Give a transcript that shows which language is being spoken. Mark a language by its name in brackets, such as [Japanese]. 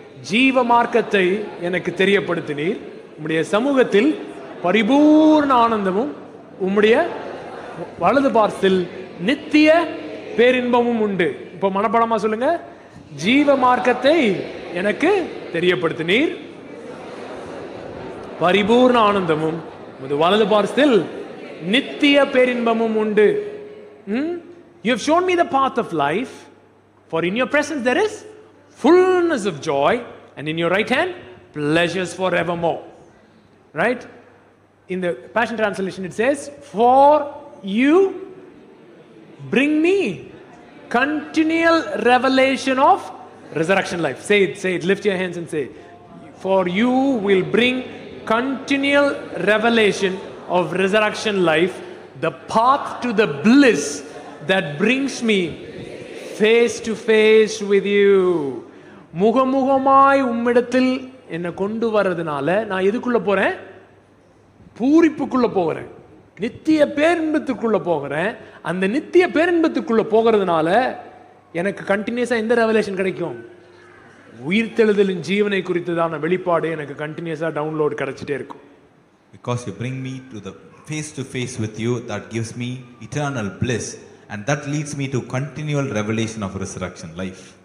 [Tamil] ஜீவ மார்க்கத்தை எனக்கு தெரியப்படுத்தினீர், உம்முடைய சமூகத்தில் பரிபூர்ண ஆனந்தமும் உம்முடைய வலது பார்சத்தில் நித்திய பேரின்பமும் உண்டு. இப்ப மனப்படமா சொல்லுங்க, ஜீவ மார்க்கத்தை எனக்கு தெரியப்படுத்தினீர், பரிபூர்ண ஆனந்தமும் உமது வலது பார்சத்தில் நித்திய பேரின்பமும் உண்டு. [English] You have shown me the path of life, for in your presence there is fullness of joy, and in your right hand pleasures forevermore. Right? In the Passion Translation it says, for you bring me continual revelation of resurrection life. Say it, lift your hands and say, for you will bring continual revelation of resurrection life, the path to the bliss that brings me face to face with you. [Tamil] முகமுகமாய் உம்மிடத்தில் என்னை கொண்டு வர்றதுனால நான் எதுக்குள்ள போறேன், பூரிப்புக்குள்ள போகிறேன், நித்திய பேரின்பத்துக்குள்ள போகிறேன். அந்த நித்திய பேரின்பத்துக்குள்ள போகிறதுனால எனக்கு கண்டினியூஸா எந்த ரெவலேஷன் கிடைக்கும், உயிர் தெழுதலின் ஜீவனை குறித்ததான வெளிப்பாடு எனக்கு கண்டினியூஸா டவுன்லோட் கிடைச்சிட்டே இருக்கும். [English] Because you bring me to the face to face with you, that gives me eternal bliss and that leads me to continual revelation of resurrection life.